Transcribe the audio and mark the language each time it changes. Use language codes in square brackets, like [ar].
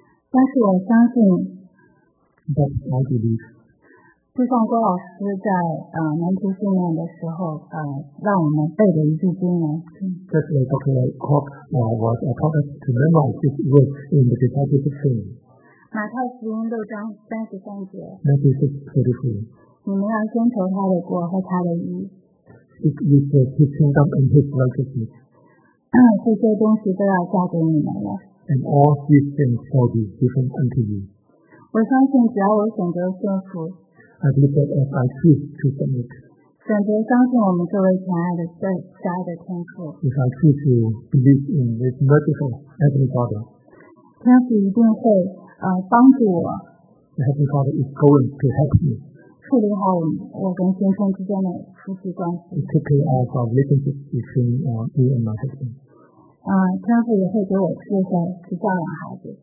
[zh] 但是我相信。 [en] But I believe. [zh] 就像郭老师在门徒训练的时候让我们背的一句经文。 [en] Just like Dr. Cork was a prophet to memorize this word in the discipleship training. [zh] 马太福音六章三十三节。 [en] Matthew 6:33. [zh] 你们要先求他的国和他的义。 [en] Seek ye first his kingdom and his righteousness. [zh] 这些东西都要加给你们了。 [en] And all these things shall be given unto you. [zh] 我相信只要我选择顺服。 [en] I believe that if I choose to submit, [zh] 选择相信我们作为亲爱的家的天父。 [en] If I choose to believe in this merciful Heavenly Father, [zh] 天父一定会帮助我。 [en] The Heavenly Father is going to help me. [zh] 处理好我跟先生之间的夫妻关系。 [en] To take care of our relationship between me and my husband. [zh] 天父也会给我智慧去教养孩子。